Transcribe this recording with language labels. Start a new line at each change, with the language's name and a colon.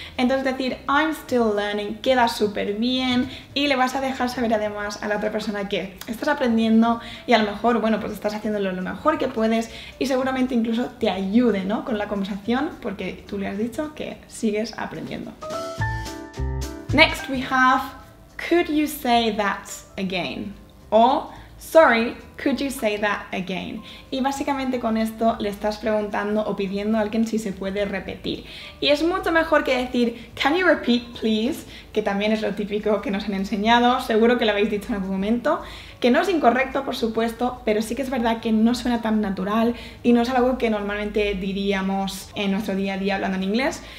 Spanish: Entonces decir
English: I'm still learning
Spanish: queda súper bien y le vas a dejar saber además a la otra persona que estás aprendiendo y a lo mejor, bueno, pues estás haciéndolo lo mejor que puedes y seguramente incluso te ayude, ¿no?, con la conversación porque tú le has dicho que sigues aprendiendo.
English: Next we have, could you say that again? O sorry, could you say that again?
Spanish: Y básicamente con esto le estás preguntando o pidiendo a alguien si se puede repetir. Y es mucho mejor que decir,
English: can you repeat please?
Spanish: Que también es lo típico que nos han enseñado, seguro que lo habéis dicho en algún momento. Que no es incorrecto, por supuesto, pero sí que es verdad que no suena tan natural y no es algo que normalmente diríamos en nuestro día a día hablando en inglés.